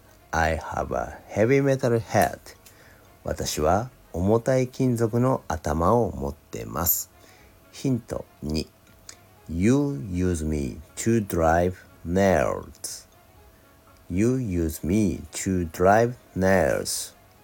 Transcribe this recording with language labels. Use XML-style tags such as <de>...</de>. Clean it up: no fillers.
<en>I have a heavy metal head.</en> <ja>私は重たい金属の頭を持ってます。ヒント2。</ja> <en>You use me to drive nails. You use me to drive nails.</en>